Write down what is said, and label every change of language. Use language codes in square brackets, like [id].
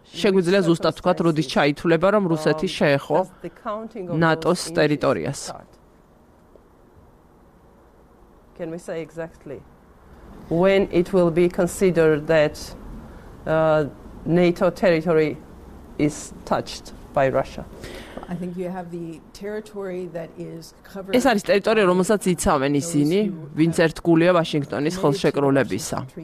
[ka] შეგვიძლია ზუსტად ვთქვათ, როდის ჩაითვლება, რომ რუსეთი შეეხო ნატოს ტერიტორიას? [en] Can we say exactly when it will be considered that NATO territory is touched by Russia? I think you have the territory that is covered. [ka] ეს არის ტერიტორია, რომელსაც იცავენ ისინი, ვინც ერთგულია ვაშინგტონის ხელშეკრულებისა.